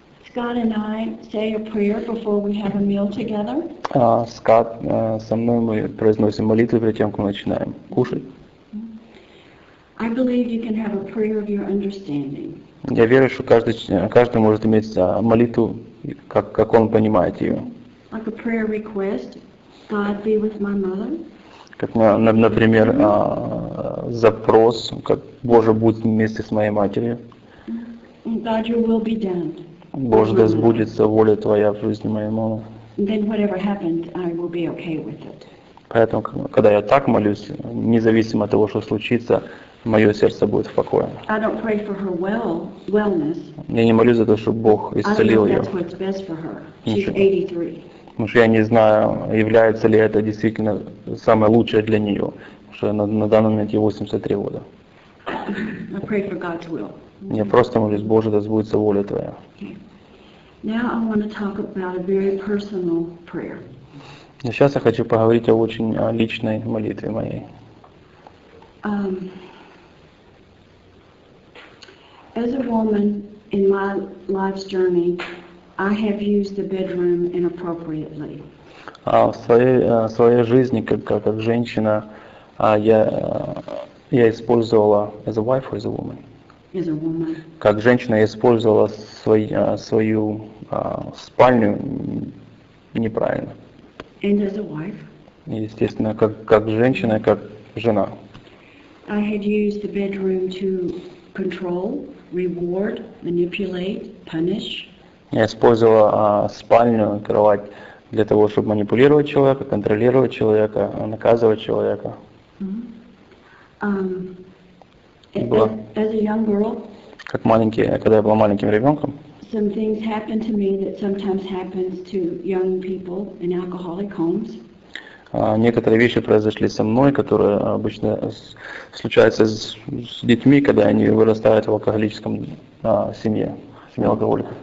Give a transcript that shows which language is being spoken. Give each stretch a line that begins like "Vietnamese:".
English: Scott and I say a prayer before we have a meal together.
Russian: Scott, со мной мы произносим молитву перед тем, как мы начинаем кушать.
English: I believe you can have a prayer of your understanding.
Russian: Я верю, что каждый может иметь молитву, как он понимает ее.
English: Like a prayer request, God be with my mother.
Russian: Как, например, запрос, как Боже будь вместе с моей матерью.
English: God, your will be done.
Russian: Боже, да сбудется воля Твоя в жизни моей мамы.
English: Then whatever happens, I will be okay with it.
Russian: Поэтому, когда я так молюсь, независимо от того, что случится, мое сердце будет в покое.
English: I don't pray for her wellness.
Russian: Я не молюсь за то, чтобы Бог исцелил ее.
English: I don't know if that's what's best for her. She's 83.
Russian: Потому что я не знаю, является ли это действительно самое лучшее для нее. Потому что на данный момент ей 83 года.
English: I pray for God's will.
Russian: Я просто молюсь, Боже, да сбудется воля Твоя.
English: Now I want to talk about a very personal prayer.
Russian: Сейчас я хочу поговорить о очень личной молитве моей.
English: As a woman in my life's journey, I have used the bedroom inappropriately.
Russian: В своей жизни как женщина я использовала
English: as a wife or as a woman. As a woman.
Russian: Как женщина я использовала свою спальню неправильно.
English: And as a wife.
Russian: Естественно, как женщина, как жена.
English: I had used the bedroom to control, reward, manipulate, punish.
Russian: Я использовала спальню, кровать для того, чтобы манипулировать человека, контролировать человека, наказывать человека.
English: Mm-hmm. As a young girl,
Russian: как маленький, когда я была маленьким ребенком,
English: some things happen to me that sometimes happens to young people in alcoholic homes.
Russian: Некоторые вещи произошли со мной, которые обычно случаются с детьми, когда они вырастают в алкоголическом семье алкоголиков.